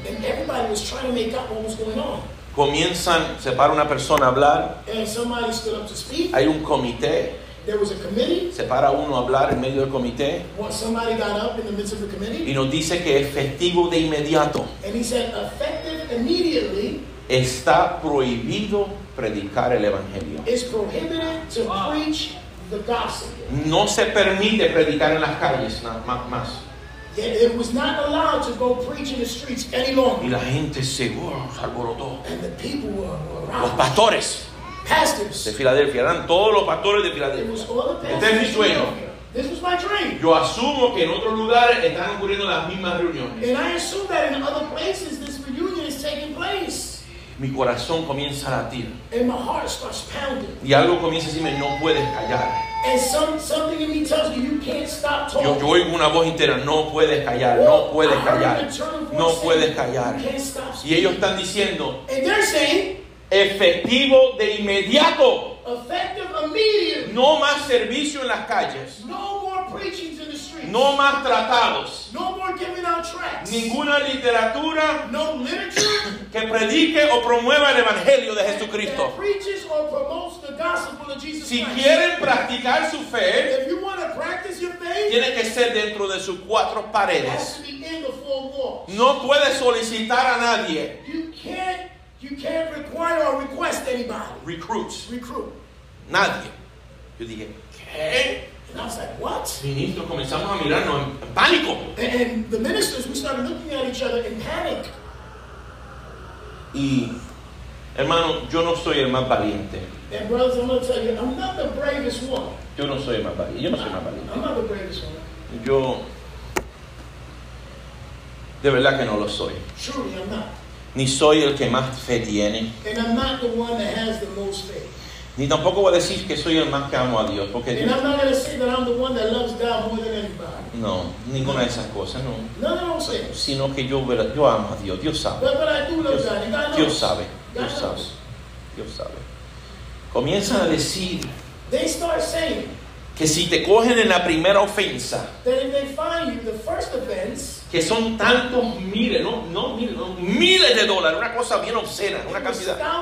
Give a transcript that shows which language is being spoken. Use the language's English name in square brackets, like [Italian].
[English] And everybody was trying to make out what was going on. [Spanish] Comienzan, se para una persona a hablar. [English] And somebody stood up to speak. [Spanish] Hay un comité. [English] There was a committee. [Spanish] Se para uno a hablar en medio del comité. [English] Well, somebody got up in the midst of the committee. [Spanish] Y nos dice que efectivo de inmediato. [English] And he said, effective immediately. [Spanish] Está prohibido predicar el evangelio. [English] It's prohibited to preach the gospel. [Spanish] No se permite predicar en las calles más. [English] Yet it was not allowed to go preach in the streets any longer. [Spanish] Y la gente se alborotó. [English] And the people were around. [Spanish] Los pastores. [English] Pastors. [Spanish] De Filadelfia, eran todos los pastores de Filadelfia. Este es mi sueño. [English] This was my dream. [Spanish] Yo asumo que en otros lugares están ocurriendo las mismas reuniones. [English] And I assume that in other places this reunion is taking place. [Spanish] Mi corazón comienza a latir. [English] And my heart starts pounding. [Spanish] Y algo comienza a decirme, no puedes callar. [English] And something in me tells me you can't stop talking. [Spanish] Yo oigo una voz interna, no puedes callar, [English] well, [Spanish] no puedes callar, no [English] saying, [Spanish] puedes callar. [English] You can't stop speaking. [Spanish] Y ellos están diciendo. [English] And they're saying. [Spanish] Efectivo de inmediato. [English] Effective immediately. [Spanish] No más servicio en las calles. [English] No more preachings in the streets. [Spanish] No más tratados. [English] No more giving out tracts. [Spanish] Ninguna literatura. [English] No literature. [Spanish] Que predique o promueva el evangelio de Jesucristo. [English] That preaches or promotes the gospel of Jesus [Spanish] Christ. Si quieren practicar su fe, [English] if you want to practice your faith, [Spanish] tiene que ser dentro de sus cuatro paredes. [English] It has to be in the four walls. [Spanish] No puede solicitar a nadie. [English] You can't require or request anybody. Recruit. [Spanish] Nadie. Yo dije, ¿qué? [English] And I was like, what? [Spanish] Ministro, comenzamos a mirarnos en pánico. [English] And the ministers, we started looking at each other in panic. [Spanish] Y, hermano, yo no soy el más valiente. [English] And brothers, I'm going to tell you, I'm not the bravest one. [Spanish] Yo no soy el más valiente. [English] I'm not the bravest one. [Spanish] Yo, de verdad que no lo soy. [English] Surely I'm not. [Spanish] Ni soy el que más fe tiene. [English] And I'm not the one that has the most faith. [Spanish] Ni tampoco voy a decir que soy el más que amo a Dios. Porque [English] and I'm not going to say that I'm the one that loves God more than anybody. [Spanish] No, ninguna de esas cosas, no. No, no, no, sé. Sino que yo amo a Dios. Dios sabe. [English] But I do love God. And God knows. [Spanish] Dios sabe. Dios sabe. Comienzan a decir. [English] They start saying. [Spanish] Que si te cogen en la primera ofensa. [English] That if they find you the first offense. [Spanish] Que son tantos miles, miles de dólares, una cosa bien obscena, una cantidad.